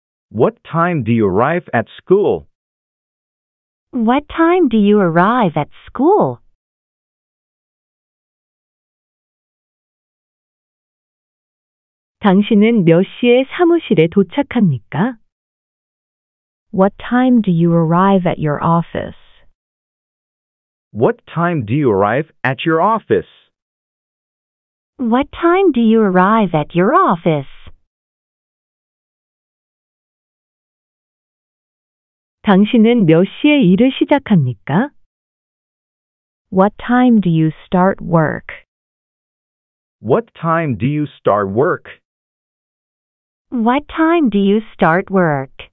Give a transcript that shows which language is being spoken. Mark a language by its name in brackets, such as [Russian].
[English] What time do you arrive at school? What time do you arrive at school? [Korean] 당신은 몇 시에 사무실에 도착합니까? [English] What time do you arrive at your office? What time do you arrive at your office? What time do you arrive at your office? [Korean] 당신은 몇 시에 일을 시작합니까? [English] What time do you start work? What time do you start work? What time do you start work?